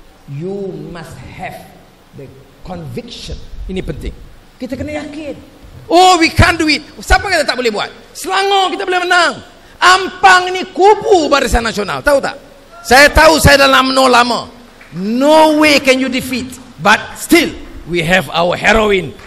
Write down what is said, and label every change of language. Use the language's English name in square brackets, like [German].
[English] You must have the conviction. [Malay] Ini penting. Kita kena yakin. [English] Oh, we can't do it. [Malay] Siapa kata tak boleh buat? Selangor kita boleh menang. Ampang ni kubu Barisan Nasional. Tahu tak? Saya tahu saya dalam UMNO lama. [English] No way can you defeat. But still, we have our heroine.